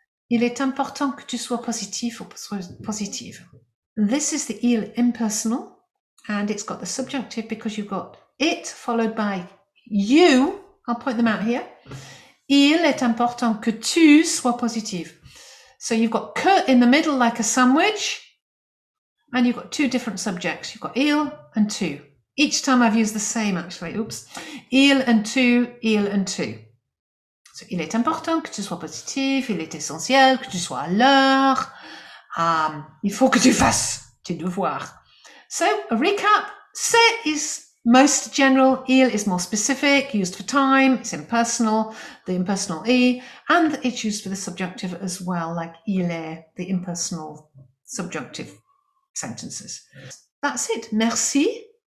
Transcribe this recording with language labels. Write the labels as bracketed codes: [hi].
[fr] Il est important que tu sois positif ou positive. [en] This is the il impersonal. And it's got the subjunctive because you've got it followed by you. I'll point them out here. [fr] Il est important que tu sois positive. [en] So you've got que in the middle like a sandwich. And you've got two different subjects. You've got il and tu. Each time I've used the same actually. Oops. [fr] Il and tu, il and tu. So il est important que tu sois positif. Il est essentiel que tu sois à l'heure. Il faut que tu fasses tes devoirs. [en] So, a recap, c'est is most general, il is more specific, used for time, it's impersonal, the impersonal e, and it's used for the subjunctive as well, like il est, the impersonal subjunctive sentences. That's it, merci.